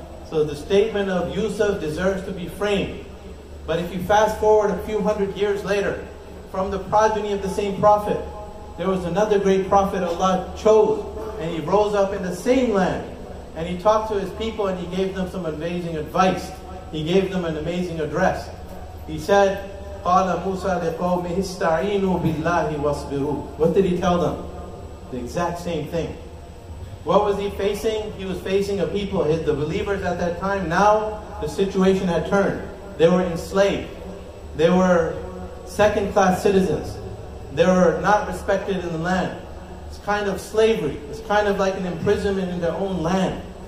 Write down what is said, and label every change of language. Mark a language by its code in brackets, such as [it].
[en] So the statement of Yusuf deserves to be framed. But if you fast forward a few hundred years later, from the progeny of the same Prophet, there was another great prophet Allah chose, and he rose up in the same land, and he talked to his people and he gave them some amazing advice. He gave them an amazing address. He said, [ar] قَالَ مُوسَى لِقَوْمِهِ اسْتَعِينُوا بِاللَّهِ وَاصْبِرُوا. [en] What did he tell them? The exact same thing. What was he facing? He was facing a people, the believers at that time. Now the situation had turned. They were enslaved. They were second class citizens. They were not respected in the land. It's kind of slavery. It's kind of like an imprisonment in their own land.